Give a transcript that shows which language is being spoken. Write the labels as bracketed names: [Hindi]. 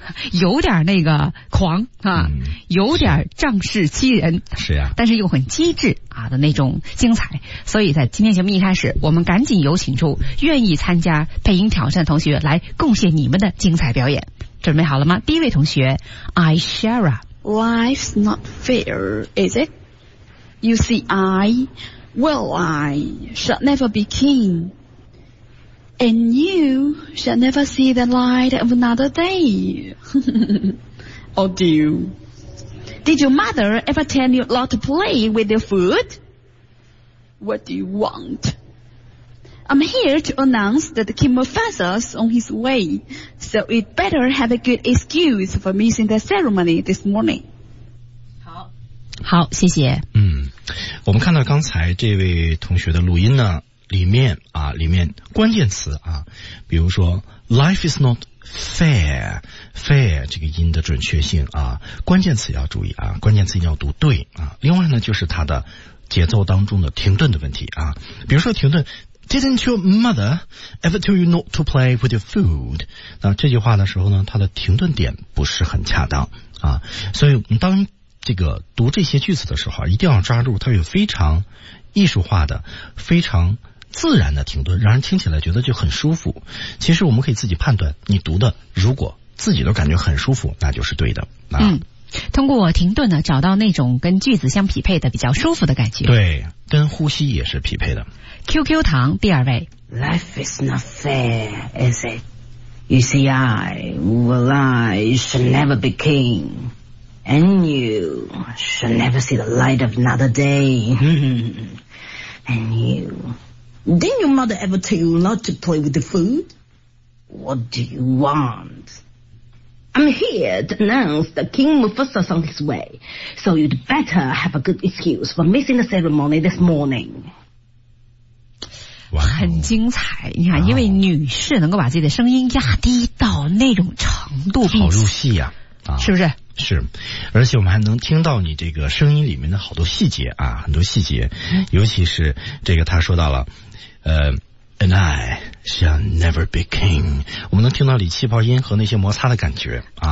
[Chinese] 有点那个狂啊、有点仗势欺人是呀、但是又很机智啊的那种精彩所以在今天节目一开始我们赶紧有请出愿意参加配音挑战的同学来贡献你们的精彩表演准备好了吗第一位同学 Aishara [English] Life's not fair is it you see IWell, I shall never be king. And you shall never see the light of another day. Or do you? Did your mother ever tell you not to play with your food? What do you want? I'm here to announce that the King Mufasa's on his way, so you'd better have a good excuse for missing the ceremony this morning. [Chinese] 好谢谢。我们看到刚才这位同学的录音呢里面关键词啊比如说 , [English] life is not fair, [Chinese] 这个音的准确性啊关键词要注意啊关键词一定要读对啊另外呢就是它的节奏当中的停顿的问题啊比如说停顿 , [English] didn't your mother ever tell you not to play with your food? [Chinese] 那这句话的时候呢它的停顿点不是很恰当啊所以当这个读这些句子的时候一定要抓住它有非常艺术化的非常自然的停顿让人听起来觉得就很舒服其实我们可以自己判断你读的如果自己都感觉很舒服那就是对的、通过停顿呢找到那种跟句子相匹配的比较舒服的感觉对跟呼吸也是匹配的 QQ 堂第二位 [English] Life is not fair is it You see I Well I should never be kingAnd you shall never see the light of another day. And you, didn't your mother ever tell you not to play with the food? What do you want? I'm here to announce that King Mufasa's on his way, so you'd better have a good excuse for missing the ceremony this morning. Wow, [Chinese] 很精彩你看、因为女士能够把自己的声音压低到那种程度好入戏呀、是不是是而且我们还能听到你这个声音里面的好多细节啊很多细节尤其是这个他说到了 [English] And I shall never be king [Chinese] 我们能听到你气泡音和那些摩擦的感觉啊